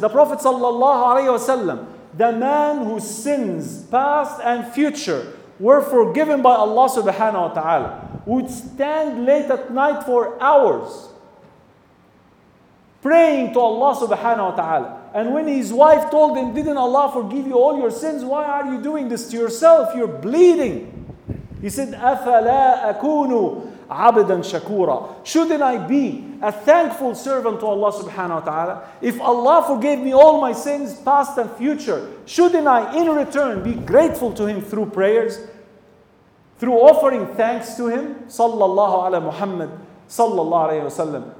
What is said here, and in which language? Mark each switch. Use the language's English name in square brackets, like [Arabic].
[English] The Prophet sallallahu alaihi wasallam, the man whose sins, past and future, were forgiven by Allah subhanahu wa ta'ala, would stand late at night for hours praying to Allah subhanahu wa ta'ala. And when his wife told him, didn't Allah forgive you all your sins? Why are you doing this to yourself? You're bleeding. He said, [Arabic] أَفَلَا أَكُونُ عَبْدًا شَكُورًا. [English] Shouldn't I be a thankful servant to Allah subhanahu wa ta'ala? If Allah forgave me all my sins, past and future, shouldn't I in return be grateful to Him through prayers? Through offering thanks to Him? Sallallahu ala Muhammad, sallallahu alayhi wa sallam.